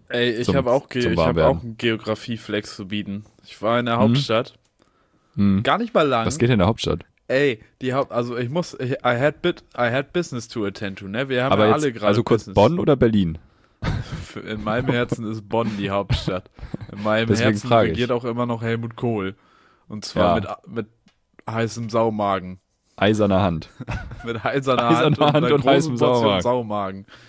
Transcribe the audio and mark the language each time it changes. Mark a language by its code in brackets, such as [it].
[de] Ey, ich habe auch einen Geografie-Flex zu bieten. Ich war in der Hauptstadt. Gar nicht mal lang. Was geht in der Hauptstadt? [en] Ey, I had business to attend to, ne? [de] Wir haben aber ja jetzt, alle gerade. Also kurz [en] business. [de] Bonn oder Berlin? In meinem Herzen ist Bonn die Hauptstadt. In meinem Herzen regiert auch immer noch Helmut Kohl. Und zwar mit heißem Saumagen. Eiserner Hand. Mit eiserner Hand und heißem Saumagen.